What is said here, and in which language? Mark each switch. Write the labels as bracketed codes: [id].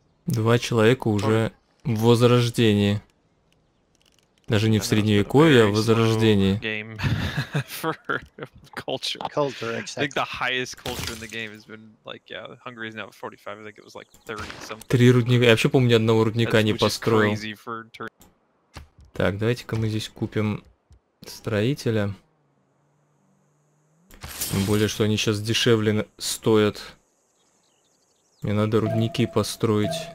[ru] Два человека уже в возрождении. Даже не в средневековье, а в возрождении. [en] Game for culture. Culture, exactly. I think the highest culture in the game has been like, yeah, Hungary is now at 45. I think it was like 30 something. [ru] Три рудника. Я вообще помню, ни одного рудника не построил. Так, давайте-ка мы здесь купим строителя. Тем более, что они сейчас дешевле стоят. Мне надо рудники построить.